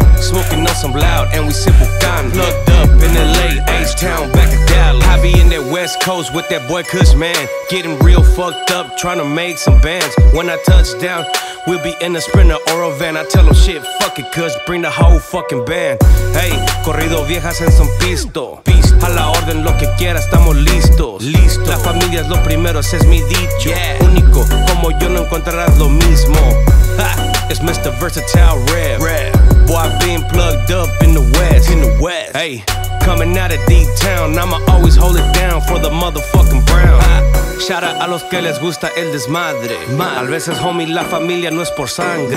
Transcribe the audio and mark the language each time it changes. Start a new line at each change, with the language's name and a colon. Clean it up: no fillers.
English: Smoking on some loud, and we sip Ghana. Plugged up in LA, H-Town, back to Dallas. I be in that West Coast with that boy Kush, man. Getting real fucked up, trying to make some bands. When I touch down, we'll be in a Sprinter or a van. I tell them shit, fuck it, cuz bring the whole fucking band.
Spanish: Hey, corrido viejas en son pisto. A la orden lo que quiera, estamos listos. Listo. La familia es lo primero, ese es mi dicho. Yeah. Único, como yo no encontrarás lo mismo.
English: Ha. It's Mr. Versatile Rev. Boy, I've been plugged up in the West. In the West. Hey, coming out of D-Town, I'ma always hold it down for the motherfucking Brown. Ha. Shout out
Spanish: a los que les gusta el desmadre. Tal vez es homie, la familia no es por sangre.